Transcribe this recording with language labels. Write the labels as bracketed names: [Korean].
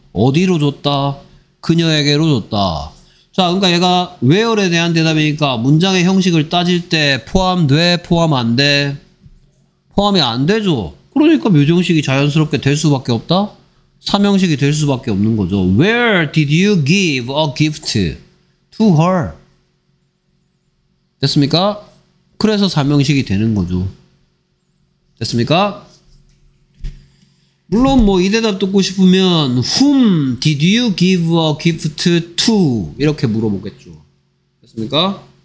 [Korean] 어디로 줬다? 그녀에게로 줬다. 자, 그러니까 얘가 where에 대한 대답이니까 문장의 형식을 따질 때 포함돼? 포함 안 돼? 포함이 안 되죠. 그러니까 묘정식이 자연스럽게 될 수밖에 없다? 3형식이 될 수밖에 없는 거죠. [English] Where did you give a gift to her? [Korean] 됐습니까? 그래서 3형식이 되는 거죠. 됐습니까? 물론 뭐 이 대답 듣고 싶으면 [English] Whom did you give a gift to? [Korean] 이렇게 물어보겠죠. 됐습니까?